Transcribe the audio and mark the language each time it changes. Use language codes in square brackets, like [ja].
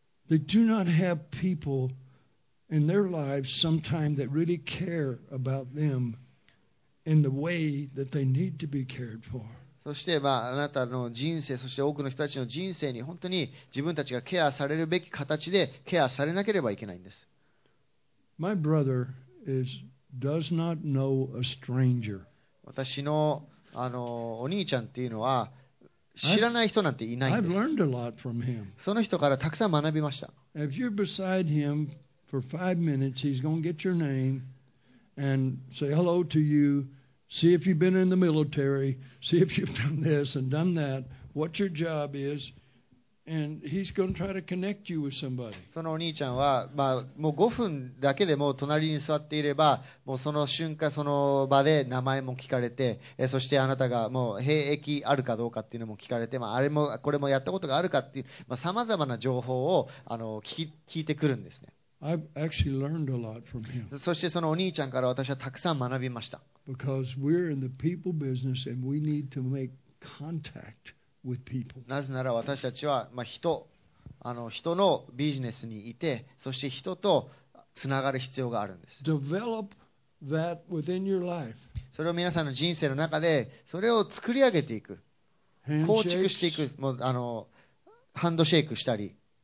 [en] They do not have people in their lives sometime that really care about them in the way that they need to be cared for. [ja] そして、まあ、あなたの人生、そして多くの人たちの人生に本当に自分たちがケアされるべき形でケアされなければいけないんです。 [en] My brother does not know a stranger. [ja] 私の、お兄ちゃんっていうのは知らない人なんていないんです。 [en] I've learned a lot from him. [ja] その人からたくさん学びました。 [en] If you're beside him for five minutes, he's going to get your name and say hello to you. See if you've been in the military. See if you've done this and done that. What your job is, and he's going to try to connect you with somebody. [ja] そのお兄ちゃんは、まあ、もう5分だけでも隣に座っていれば、もうその瞬間その場で名前も聞かれて、そしてあなたがもう兵役あるかどうかっていうのも聞かれて、まあ、あれもこれもやったことがあるかっていう、まあ、さまざまな情報を聞いてくるんですね。 [en] I've actually learned a lot from him. [ja] そしてそのお兄ちゃんから私はたくさん学びました。 [en] Because we're in the people business and we need to make contact with people. [ja] なぜなら私たちは、まあ、人のビジネスにいて、そして人とつながる必要があるんです。 [en] Develop that within your life. [ja] それを皆さんの人生の中でそれを作り上げていく、構築していく、もうハンドシェイクしたり。